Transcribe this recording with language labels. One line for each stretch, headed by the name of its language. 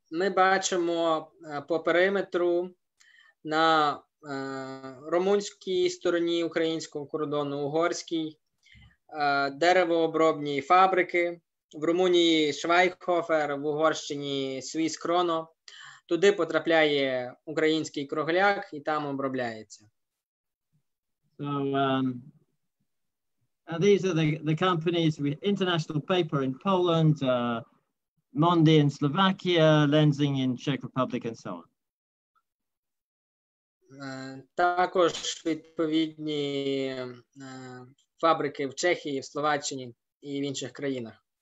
Ukrainian: Ми бачимо по периметру на румунській стороні українського кордону, угорській, деревообробні фабрики в Румунії Швайхофер, в Угорщині Свіс Кроно. Туди потрапляє український кругляк і там обробляється.
English: So, these are the companies with International Paper in Poland, Mondi in Slovakia, Lensing in Czech Republic and so on.
Ukrainian: Також відповідні фабрики в Чехії, в Словаччині і в інших країнах.